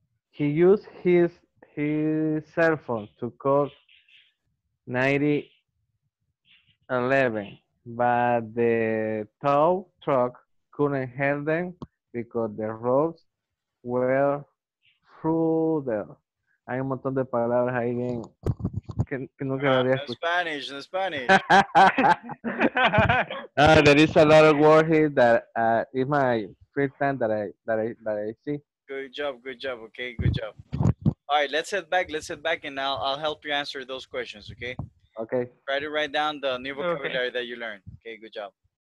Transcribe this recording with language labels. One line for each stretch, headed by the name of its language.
English: He used his cell phone to call 911, but the tow truck couldn't help them because the roads were flooded.
Spanish: Hay un montón de palabras ahí bien que nunca había escuchado.
English: In Spanish. there is a lot of words here that is my first time that I see. Good job. Okay, good job. All right, let's head back, and I'll help you answer those questions. Okay. Okay. Try to write down the new vocabulary that you learned. Okay, good job.